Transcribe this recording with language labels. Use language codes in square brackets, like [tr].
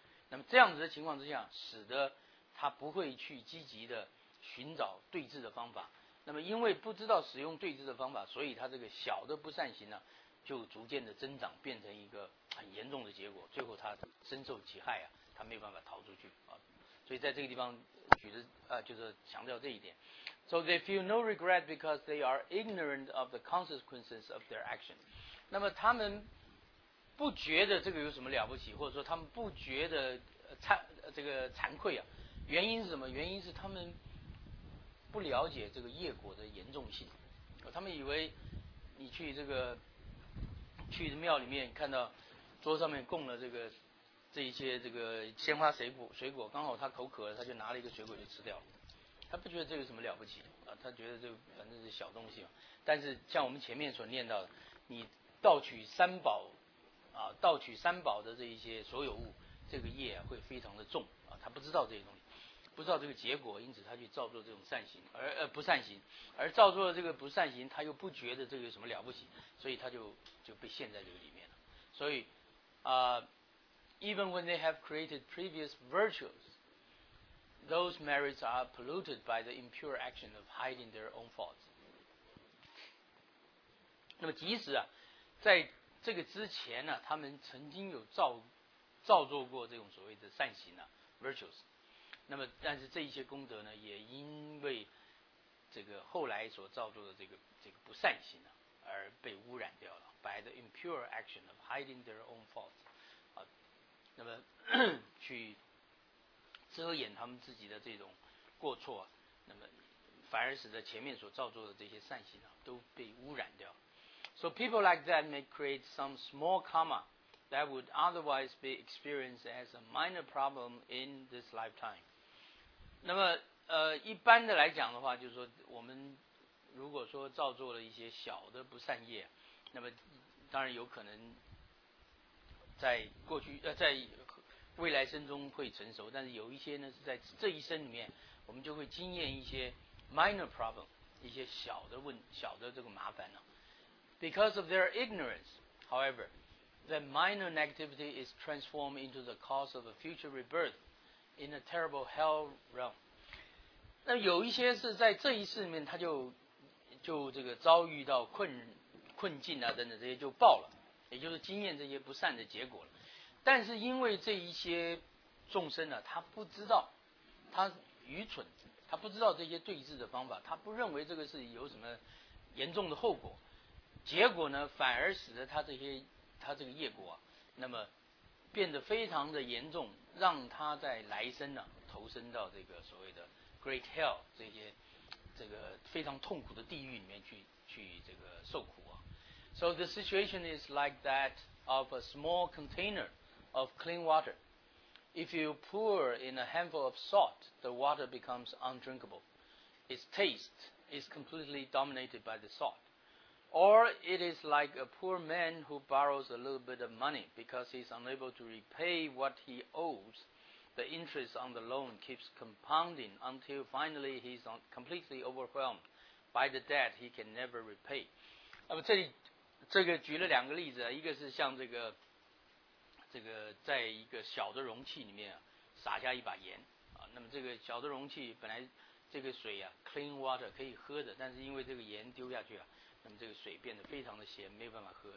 [zh] 那么这样子的情况之下，使得他不会去积极的寻找对治的方法。那么因为不知道使用对治的方法，所以他这个小的不善行呢，就逐渐的增长，变成一个很严重的结果，最后他深受其害啊，他没有办法逃出去啊。所以在这个地方就是强调这一点。 [en] So they feel no regret because they are ignorant of the consequences of their action. [zh] 那么他们不觉得这个有什么了不起，或者说他们不觉得惭愧啊。原因是什么？原因是他们不了解这个业果的严重性。他们以为你去这个去庙里面看到桌上面供了这一些这个鲜花水果，刚好他口渴了，他就拿了一个水果就吃掉了。他不觉得这有什么了不起啊，他觉得这反正是小东西嘛。但是像我们前面所念到的，你盗取三宝啊，盗取三宝的这一些所有物，这个业会非常的重啊。他不知道这些东西，不知道这个结果，因此他去造作这种善行，不善行，而造作了这个不善行，他又不觉得这个有什么了不起，所以他就被陷在这个里面了。所以 [en] even when they have created previous virtues, those merits are polluted by the impure action of hiding their own faults. [zh] 那么即使啊，在这个之前呢、啊，他们曾经有造作过这种所谓的善行啊 ，virtues。那么但是这一些功德呢，也因为这个后来所造作的这个不善行啊，而被污染掉了。 [en] By the impure action of hiding their own faults. [zh] 那么去遮掩他们自己的这种过错、啊、那么反而使得前面所造作的这些善行、啊、都被污染掉。 [en] So people like that may create some small karma that would otherwise be experienced as a minor problem in this lifetime. [zh] 那么一般的来讲的话，就是说我们如果说造作了一些小的不善业，那么当然有可能在过去在未来生中会成熟，但是有一些呢是在这一生里面，我们就会经验一些 [en] minor problem， [zh] 一些小的这个麻烦了、啊。 [en] Because of their ignorance, however, that minor negativity is transformed into the cause of a future rebirth in a terrible hell realm. [zh] 那有一些是在这一世里面，他就这个遭遇到困境啊等等，这些就爆了。也就是经验这些不善的结果了，但是因为这一些众生呢、啊，他不知道，他愚蠢，他不知道这些对治的方法，他不认为这个是有什么严重的后果，结果呢，反而使得他这个业果、啊，那么变得非常的严重，让他在来生呢、啊，投身到这个所谓的 [en] Great Hell [zh] 这些这个非常痛苦的地狱里面去这个受苦啊。 [en] So the situation is like that of a small container of clean water. If you pour in a handful of salt, the water becomes undrinkable. Its taste is completely dominated by the salt. Or it is like a poor man who borrows a little bit of money because he's unable to repay what he owes. The interest on the loan keeps compounding until finally he's completely overwhelmed by the debt he can never repay. [zh] 那么这个举了两个例子，一个是像这个在一个小的容器里面撒下一把盐啊，那么这个小的容器本来这个水啊 [en] clean water [zh] 可以喝的，但是因为这个盐丢下去啊，那么这个水变得非常的咸，没有办法喝。